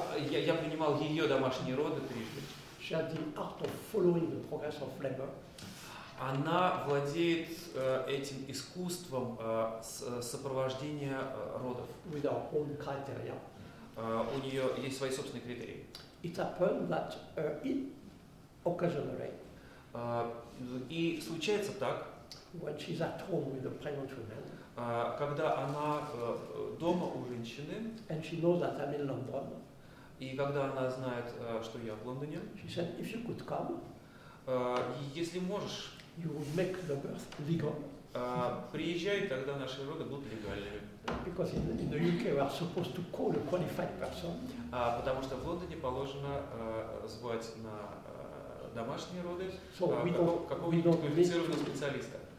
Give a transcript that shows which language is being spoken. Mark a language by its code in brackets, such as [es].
[ru] Я принимал ее домашние роды трижды. [en] She has the art of following the progress of labor. [ru] Она владеет этим искусством сопровождения родов. [en] With her own criteria. [ru] У нее есть свои собственные критерии. [en] It happened that it occasionally. [ru] И случается так. [en] When she's at home with a pregnant woman. [ru] Когда она дома у женщины. [en] And she knows that I'm in London. [ru] И когда она знает, что я в Лондоне, [en] she said, if you could come, [ru] если можешь, [en] you would make the birth legal. [ru] Приезжай, тогда наши роды будут легальными. [en] Because in the UK we are supposed to call a qualified person. [ru] Потому что в Лондоне положено звать на домашние роды [en] so [ru] какого-нибудь квалифицированного специалиста.